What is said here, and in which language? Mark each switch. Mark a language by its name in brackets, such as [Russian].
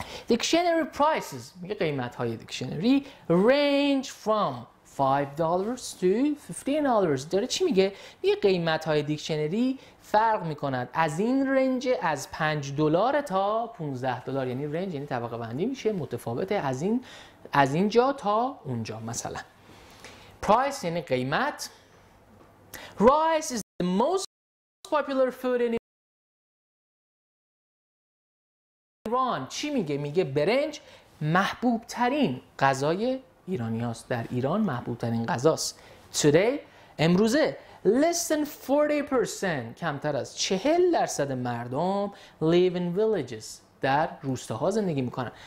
[English] Dictionary prices [Persian] میگه قیمت های دیکشنری، [English] range from $5 to $15 [Persian] داره. چی میگه؟ میگه قیمت های دیکشنری فرق میکند از این رنج، از $5 تا $15، یعنی رنج یعنی طبقه بندی میشه، متفاوته از این، از اینجا تا اونجا. مثلا price یعنی قیمت. [English] rice is the most popular food in Iran. [Persian] چی میگه؟ میگه برنج محبوب ترین غذای ایرانی هاست، در ایران محبوب ترین غذاست. [English] today [Persian] امروزه [English] less than 40% [Persian] کمتر از 40% مردم [English] live in villages [Persian] در روستاها زندگی میکنن.